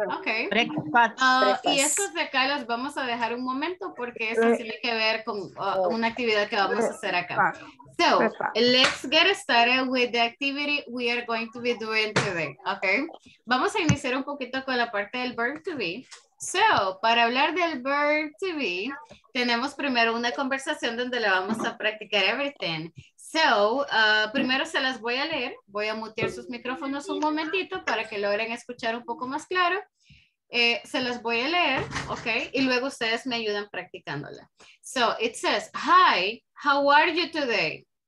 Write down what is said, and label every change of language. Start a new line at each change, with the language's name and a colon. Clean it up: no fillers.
Spanish: Y estos de acá los vamos a dejar un momento porque eso tiene que ver con una actividad que vamos a hacer acá.
English: So, let's get started with the activity we are going to be doing today, okay?
Spanish: Vamos a iniciar un poquito con la parte del verb to be. So, para hablar del verb to be, tenemos primero una conversación donde le vamos a practicar everything. Primero se las voy a leer. Voy a mutear sus micrófonos un momentito para que logren escuchar un poco más claro. Se las voy a leer, okay? Y luego ustedes me ayudan practicándola.
English: So it says, hi, how are you today?